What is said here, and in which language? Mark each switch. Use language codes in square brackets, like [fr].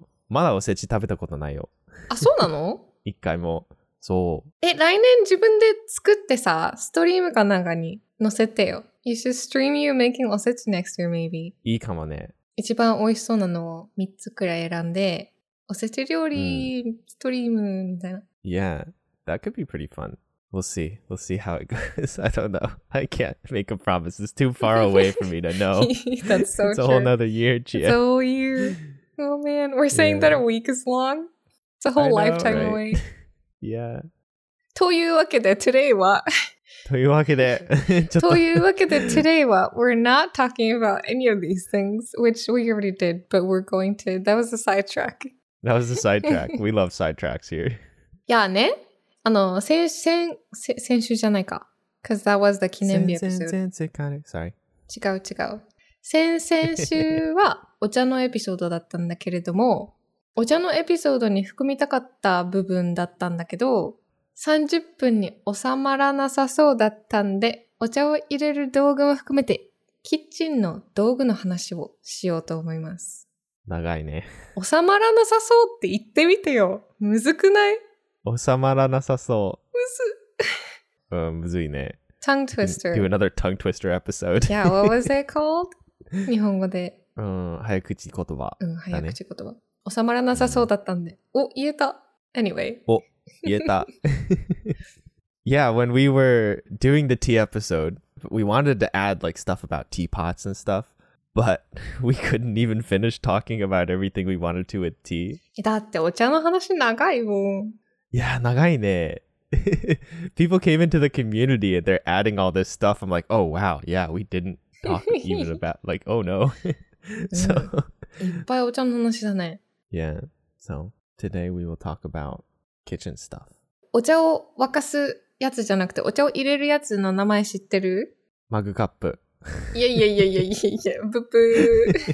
[ja] まだおせち食べたことないよ。あ、そうなの? 一回も。そう。え、来年自分で作ってさ、ストリームかなんかに載せてよ。 [en] You should stream you making おせち next year, maybe. [ja] いいかもね。一番美味しそうなのを3つくらい選んで、おせち料理、ストリームみたいな。 [en] Yeah, that could be pretty fun. We'll see. We'll see how it goes. I don't know. I can't make a promise. It's too far away for me to know. That's so true. It's a whole nother year, Chie. It's a whole year. Oh man, we're saying that a week is long. It's a whole lifetime away. Yeah. [ja] というわけで、today はというわけで、ちょっと というわけで、 [en] today は we're not talking about any of these things, which we already did, but we're going to, that was a sidetrack. That was a sidetrack. We love sidetracks here. [ja] いやね、あの、先週じゃないか。 [en] Because that was the 記念日エピソード。 [ja] 先生から、sorry。違う違う。先々週はお茶のエピソードだったんだけれども、お茶のエピソードに含みたかった部分だったんだけど、30分に収まらなさそうだったんで、お茶を入れる道具も含めて、キッチンの道具の話をしようと思います。長いね。収まらなさそうって言ってみてよ。むずくない？収まらなさそう。むず。うん、むずいね。 [en] Tongue twister. Do another tongue twister episode. Yeah, what was it called? [ja] 日本語で。うん、早口言葉だ、ね。うん、早口言葉。収まらなさそうだったんで。うん、お、言えた。Anyway. お、言えた。 [en] Yeah, when we were doing the tea episode, we wanted to add like stuff about teapots and stuff, but we couldn't even finish talking about everything we wanted to with tea. [ja] だってお茶の話長いもん。いや、長いね。 [en] People came into the community and they're adding all this stuff. I'm like, oh wow, yeah, we didn't talk even about, like, oh no. [ja] So, いっぱいお茶の話だね。 [en] Yeah, so today we will talk about kitchen stuff. [ja] お茶を沸かすやつじゃなくて、お茶を入れるやつの名前知ってる？マグカップ。いやいやいやいやいやいや、ブブ